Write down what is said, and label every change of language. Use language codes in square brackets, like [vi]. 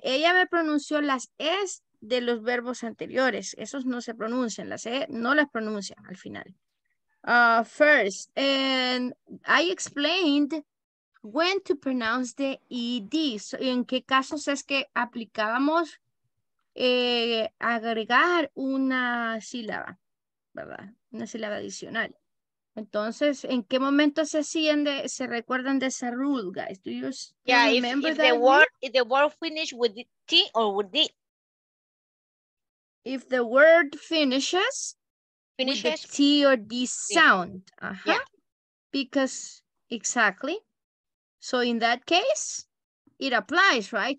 [es] Ella me pronunció las S de los verbos anteriores. Esos no se pronuncian. Las E no las pronuncia al final. [en] First, and I explained when to pronounce the ED. [es] So, en qué casos es que aplicábamos agregar una sílaba, ¿verdad? Una sílaba adicional. Entonces, ¿en qué momento se recuerdan de esa rule, guys? [en] Do you remember if that? If the word finishes with T or with D. If the word finishes with the T or D sound. Uh-huh. Yeah. Because, exactly. So in that case, it applies, right?